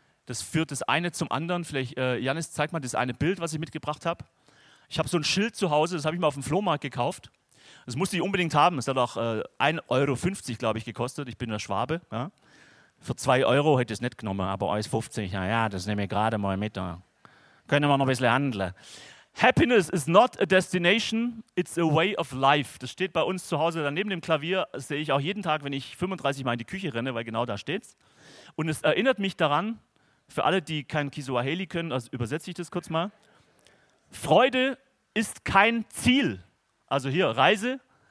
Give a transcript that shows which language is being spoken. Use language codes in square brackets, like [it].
[de] Das führt das eine zum anderen. Vielleicht, Janis, zeig mal das eine Bild, was ich mitgebracht habe. Ich habe so ein Schild zu Hause, das habe ich mal auf dem Flohmarkt gekauft. Das musste ich unbedingt haben. Es hat auch 1,50 Euro, glaube ich, gekostet. Ich bin der Schwabe. Ja. Für 2 Euro hätte ich es nicht genommen, aber 1,50 Euro, ja, das nehme ich gerade mal mit. Ja. Können wir noch ein bisschen handeln. [en] Happiness is not a destination, it's a way of life. [de] Das steht bei uns zu Hause daneben dem Klavier. Das sehe ich auch jeden Tag, wenn ich 35 Mal in die Küche renne, weil genau da steht's. Und es erinnert mich daran, für alle, die kein Kiswahili können, also übersetze ich das kurz mal. Freude ist kein Ziel. Also hier, Reise.